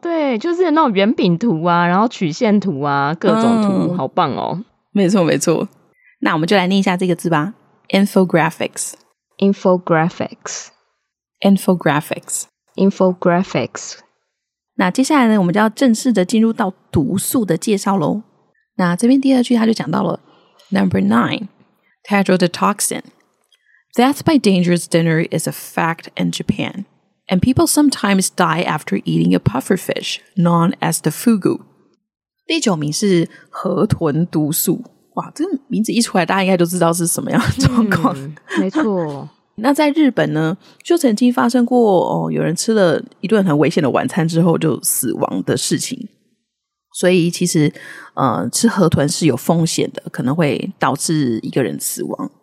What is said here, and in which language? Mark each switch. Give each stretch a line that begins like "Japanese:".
Chinese: 对，就是那种圆饼图啊，然后曲线图啊，各种图，好棒哦。没错没错，那我们就来念一下这个字吧。
English: infographics infographics infographics infographics。
Chinese: 那接下来呢我们就要正式的进入到毒素的介绍咯。那这边第二句他就讲到了
English: Number 9 Tetrodotoxin Death by dangerous dinner is a fact in Japan And people sometimes die after eating a puffer fish known as the fugu。
Chinese: 第九名是河豚毒素。哇，这个名字一出来大家应该就知道是什么样的状况。没错。那在日本呢就曾经发生过有人吃了一顿很危险的晚餐之后就死亡的事情。所以其实吃河豚是有风险的，可能会导致一个人死亡。